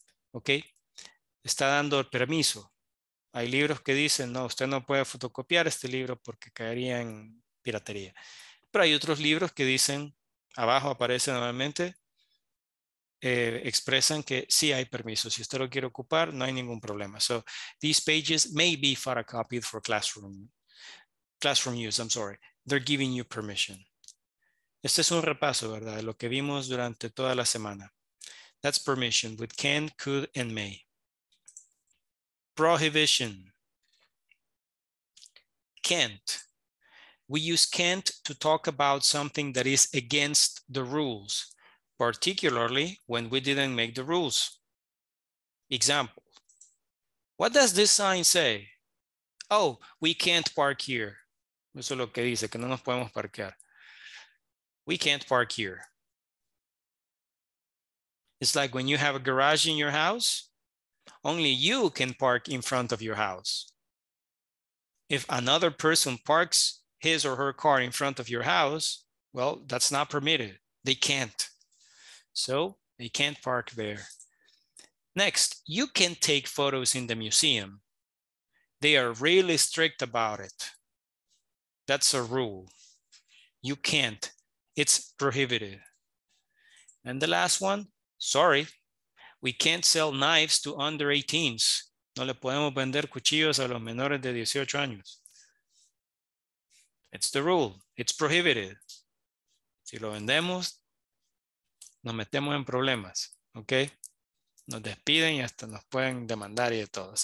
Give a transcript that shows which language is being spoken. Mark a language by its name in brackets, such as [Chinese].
[Spanish] Okay, está dando el permiso. Hay libros que dicen, no, usted no puede fotocopiar este libro porque caería en piratería. Pero hay otros libros que dicen, abajo aparece nuevamente, expresan que sí hay permiso. Si usted lo quiere ocupar, no hay ningún problema. [English] So, these pages may be photocopied for classroom use, I'm sorry. They're giving you permission. [Spanish] Este es un repaso, ¿verdad? De lo que vimos durante toda la semana. [English] That's permission with can, could, and may. Prohibition. Can't. We use can't to talk about something that is against the rules, particularly when we didn't make the rules. Example, what does this sign say? Oh, we can't park here. [Spanish] Eso es lo que dice, que no nos podemos parquear. [English] We can't park here. It's like when you have a garage in your house, only you can park in front of your house. If another person parks his or her car in front of your house, well, that's not permitted. They can't. So they can't park there. Next, you can take photos in the museum. They are really strict about it. That's a rule. You can't. It's prohibited. And the last one, sorry, we can't sell knives to under 18s. [Spanish] No le podemos vender cuchillos a los menores de 18 años. [English] It's the rule. It's prohibited. [Spanish] Si lo vendemos, nos metemos en problemas. Okay? Nos despiden y hasta nos pueden demandar y de todo.